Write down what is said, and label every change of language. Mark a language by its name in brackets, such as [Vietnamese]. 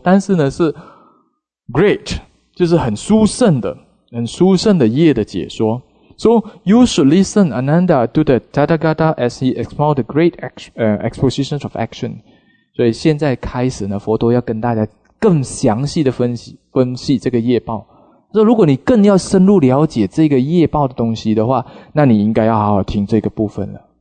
[Chinese] 但是呢，是 great， 就是很殊胜的、很殊胜的业的解说。 [English] So you should listen Ananda to the Tathagata as he explored the great expositions of action。 [Chinese] 所以现在开始呢，佛陀要跟大家更详细的分析这个业报。说如果你更要深入了解这个业报的东西的话，那你应该要好好听这个部分了。